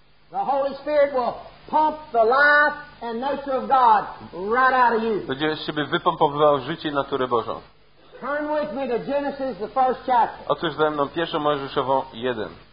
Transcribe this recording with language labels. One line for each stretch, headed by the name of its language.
English: The Holy Spirit will pump the life and nature of God right out of you.
Polish: Będzie z siebie wypompowywał życie natury Bożą.
English: Turn with me to Genesis, the first chapter.
Polish: Otwórz ze mną pierwszą Mojżeszową 1.